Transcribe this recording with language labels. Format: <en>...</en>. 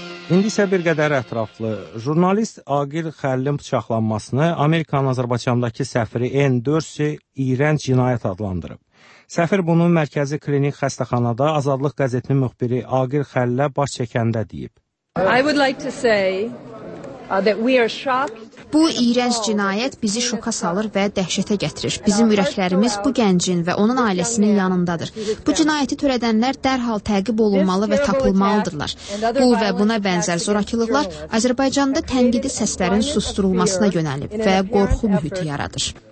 <az>İndi isə bir qədər ətraflı. Jurnalist Aqil Xəlilin bıçaqlanmasını Amerikanın Azərbaycandakı səfiri N. Dörsi iyrənc cinayət adlandırıb. Səfir bunu Mərkəzi Klinik Xəstəxanada Azadlıq qəzetinin müxbiri Aqil Xəlilə baş çəkəndə deyib.</az> <en>I would like to say that we are shocked.</en> <az>Bu iyrənc cinayət bizi şoka salır və dəhşətə gətirir. Bizim ürəklərimiz bu gəncin və onun ailəsinin yanındadır. Bu cinayəti törədənlər dərhal təqib olunmalı və tapılmalıdırlar. Bu və buna bənzər zorakılıqlar Azərbaycanda tənqidi səslərin susdurulmasına yönəlib və qorxu mühiti yaradır.</az>